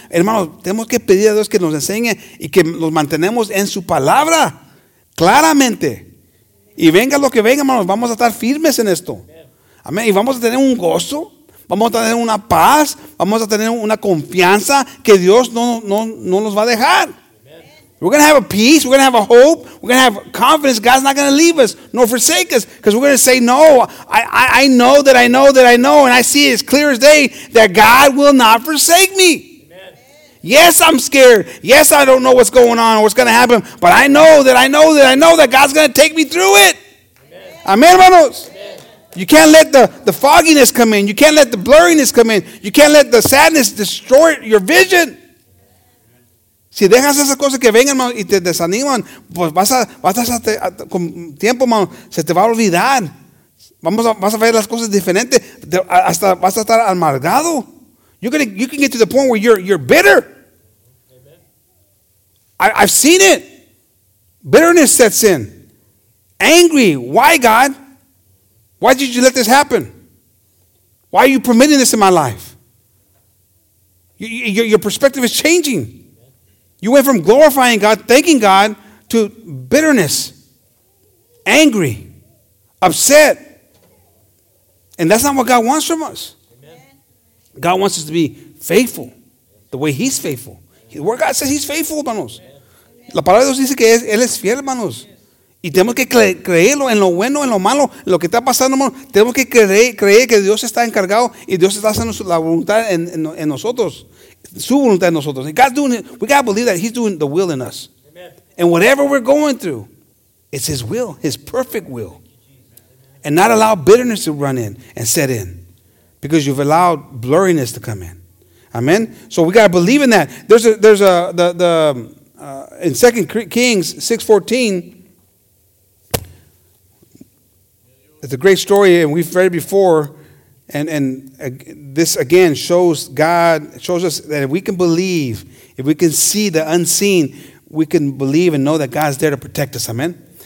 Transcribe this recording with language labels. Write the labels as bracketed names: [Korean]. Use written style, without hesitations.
[Spanish] Hermanos, tenemos que pedir a Dios que nos enseñe. Y que nos mantenemos en su palabra. Claramente. Y venga lo que venga, hermanos. Vamos a estar firmes en esto. Amén. Y vamos a tener un gozo, vamos a tener una paz, vamos a tener una confianza que Dios no nos va a dejar. [English] Amen. We're going to have a peace, we're going to have a hope, we're going to have confidence. God's not going to leave us nor forsake us, because we're going to say, no, I know that I know that I know, and I see it as clear as day that God will not forsake me. Amen. Yes, I'm scared. Yes, I don't know what's going on or what's going to happen, but I know that I know that I know that God's going to take me through it. Amen, [Spanish] amen, hermanos. [English] You can't let the fogginess come in. You can't let the blurriness come in. You can't let the sadness destroy your vision. [Spanish] Si dejas esas cosas que vengan, hermano, y te desaniman, pues vas a con tiempo, hermano, se te va a olvidar. Vas a ver las cosas diferentes. Hasta vas a estar amargado. [English] You can get to the point where you're bitter. I've seen it. Bitterness sets in. Angry. Why, God? Why did you let this happen? Why are you permitting this in my life? Your perspective is changing. You went from glorifying God, thanking God, to bitterness, angry, upset. And that's not what God wants from us. Amen. God wants us to be faithful, the way He's faithful. The Word of God says He's faithful, hermanos. [Spanish] La palabra de Dios dice que Él es fiel, hermanos. Y tenemos que creerlo en lo bueno, en lo malo, en lo que está pasando, hermano. Tenemos que creer que Dios está encargado y Dios está haciendo la voluntad en nosotros, su voluntad en nosotros. [English] And God's doing it. We got to believe that He's doing the will in us. Amen. And whatever we're going through, it's His will, His perfect will. And not allow bitterness to run in and set in because you've allowed blurriness to come in. Amen? So we got to believe in that. In 2 Kings 6:14, it's a great story, and we've read it before, and this again shows us that if we can believe, if we can see the unseen, we can believe and know that God's there to protect us. Amen.